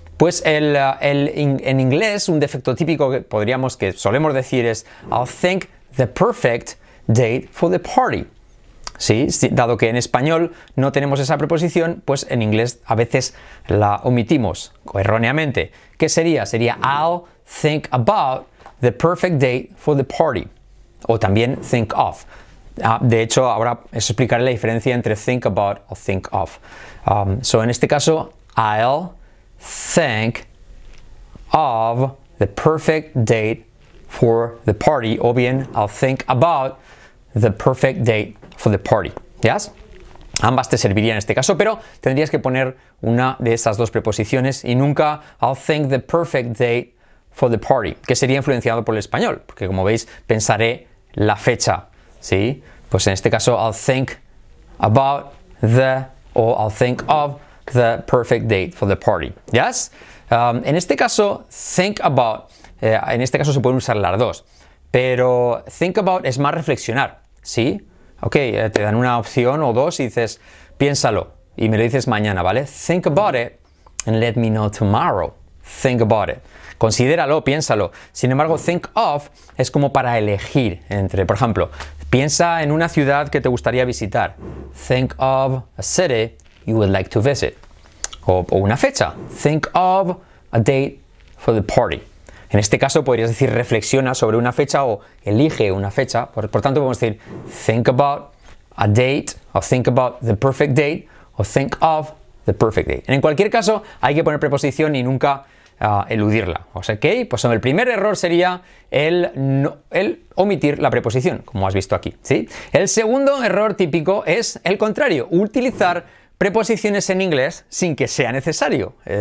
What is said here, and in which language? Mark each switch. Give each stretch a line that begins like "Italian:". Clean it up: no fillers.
Spanish: Pues en inglés, un defecto típico que podríamos, que solemos decir es
English: I'll think the perfect date for the party.
Spanish: Sí, dado que en español no tenemos esa preposición, pues en inglés a veces la omitimos erróneamente. ¿Qué sería? Sería
English: I'll think about the perfect date for the party.
Spanish: O también think of. De hecho, ahora os explicaré la diferencia entre think about o think of.
English: So
Spanish: en este caso,
English: I'll think of the perfect date for the party.
Spanish: O bien,
English: I'll think about the perfect date for the party.
Spanish: ¿Yes? Ambas te servirían en este caso, pero tendrías que poner una de esas dos preposiciones y nunca
English: I'll think the perfect date for the party,
Spanish: que sería influenciado por el español, porque como veis, pensaré la fecha, ¿sí? Pues en este caso,
English: I'll think about the o I'll think of the perfect date for the party.
Spanish: ¿Yes? En este caso, think about, en este caso se pueden usar las dos, pero think about es más reflexionar, ¿sí? Ok, te dan una opción o dos y dices, piénsalo, y me lo dices mañana, ¿vale?
English: Think about it and let me know tomorrow. Think about it.
Spanish: Considéralo, piénsalo. Sin embargo, think of es como para elegir entre, por ejemplo, piensa en una ciudad que te gustaría visitar.
English: Think of a city you would like to visit.
Spanish: O una fecha.
English: Think of a date for the party.
Spanish: En este caso podrías decir reflexiona sobre una fecha o elige una fecha. Por tanto, podemos decir
English: think about a date o think about the perfect date o think of the perfect date.
Spanish: En cualquier caso, hay que poner preposición y nunca eludirla. O sea que, pues el primer error sería el omitir la preposición, como has visto aquí, ¿sí? El segundo error típico es el contrario, utilizar preposiciones en inglés sin que sea necesario.